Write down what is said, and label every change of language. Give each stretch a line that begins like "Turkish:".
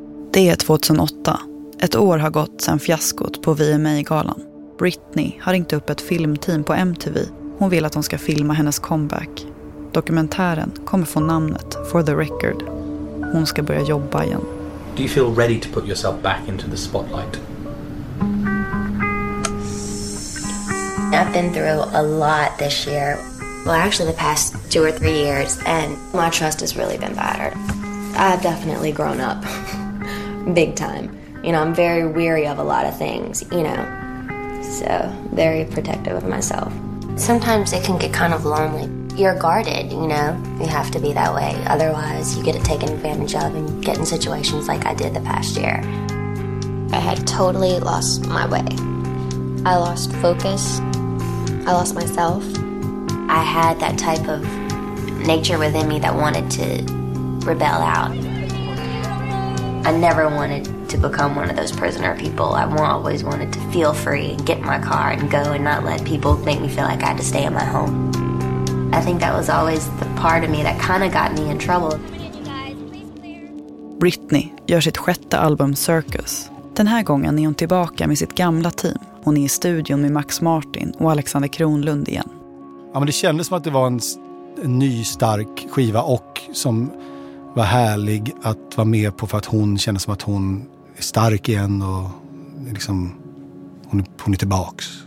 Swedish: Det är 2008. Ett år har gått sedan fiaskot på VMA-galan. Britney har ringt upp ett filmteam på MTV. Hon vill att de ska filma hennes comeback. Dokumentären kommer få namnet For the Record. Hon ska börja jobba igen.
English: Do you feel ready to put yourself back into the spotlight? I've been through a lot this year. Well, actually the past 2 or 3 years. And my trust has really been battered. I've definitely grown up. Big time. You know, I'm very weary of a lot of things, you know. So, very protective of myself. Sometimes it can get kind of lonely. You're guarded, you know. You have to be that way. Otherwise, you get taken advantage of and get in situations like I did the past year. I had totally lost my way. I lost focus. I lost myself. I had that type of nature within me that wanted to rebel out. I never wanted to become one of those prisoner people. I always wanted to feel free and get in my car and go and not let people make me feel like I had to stay in my home. I think that was always the part of me that kind of got me in trouble.
Swedish: Britney gör sitt sjätte album Circus. Den här gången är hon tillbaka med sitt gamla team. Hon är i studion med Max Martin och Alexander Kronlund igen. Ja, men det kändes som att det var en ny stark skiva och som var härlig att vara med på för att hon kände som att hon är stark igen och liksom hon är tillbaks.